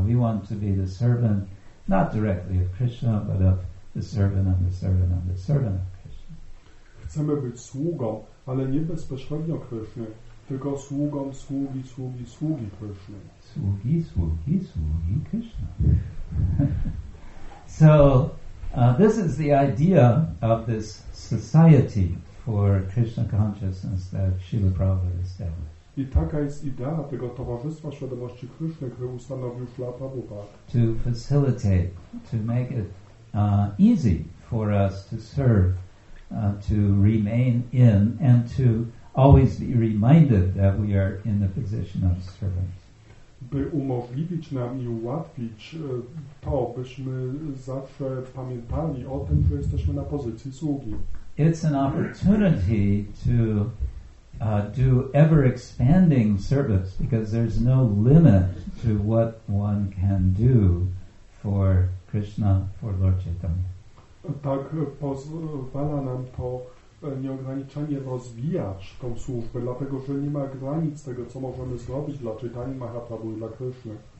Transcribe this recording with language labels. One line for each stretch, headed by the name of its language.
English: We want to be the servant, not directly of Krishna, but of the servant of the servant of the servant of Krishna.
Polish: Chcemy być sługą, ale nie bezpośrednio Krishna. Tylko sługom sługi, sługi, sługi Krishna. Sługi, sługi, sługi Krishna.
English: So, this is the idea of this society for Krishna consciousness that Śrīla Prabhupāda established.
Polish: I taka jest idea tego towarzystwa świadomości Krishna, które ustanowił Śrīla Prabhupāda.
English: To facilitate, to make it easy for us to serve, to remain in, and to always be reminded that we are in the position of servant.
Polish: By umożliwić nam i ułatwić to, byśmy zawsze pamiętali o tym, że jesteśmy na pozycji sługi.
English: It's an opportunity to do ever-expanding service, because there's no limit to what one can do for Krishna, for Lord Chaitanya.
Polish: Tak pozwala nam to nieograniczenie rozwijać tą służbę, dlatego że nie ma granic tego, co możemy zrobić dla Chaitanya Mahaprabhu i dla Krishna.